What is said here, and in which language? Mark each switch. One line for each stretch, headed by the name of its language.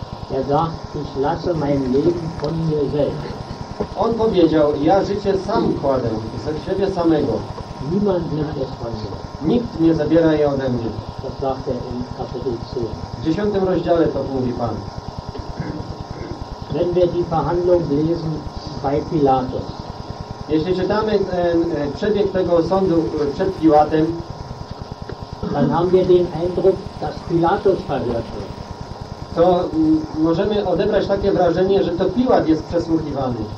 German: Er sagt, ich lasse mein Leben von mir selbst.
Polish: On powiedział, ja życie sam kładę, ze siebie samego.
German: Niemand nimmt es von mir.
Polish: Nikt nie zabiera je ode mnie.
German: Das sagt er in Kapitel 2.
Polish: W 10. rozdziale to mówi Pan.
German: Wenn wir die Verhandlung lesen bei Pilatus.
Polish: Jeśli czytamy ten przebieg tego sądu przed Piłatem,
German: dann haben wir den Eindruck, dass Pilatus verhört wird.
Polish: To możemy odebrać takie wrażenie, że to Piłat jest przesłuchiwany.